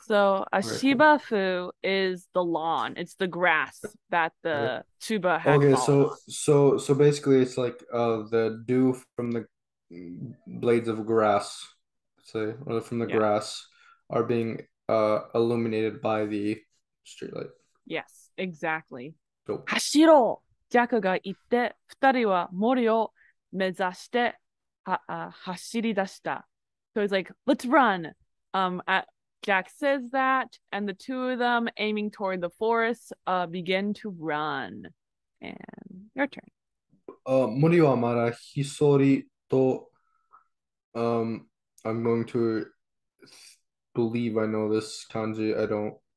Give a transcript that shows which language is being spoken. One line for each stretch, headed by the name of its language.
English: So a shibafu is the lawn. It's the grass that the tuba has. Okay, so basically, it's like the dew from the blades of grass, say, or from the grass, are being illuminated by the streetlight. Yes, exactly. So.
Japanese: Hashiro. Jack が言って、二人は森を目指して走り出した。
English: So he's like, let's run. Jack says that, and the two of them, aiming toward the forest, begin to run. And your turn.
Japanese: 森はまだひそりと、
English: I'm going to believe I know this kanji. I don't.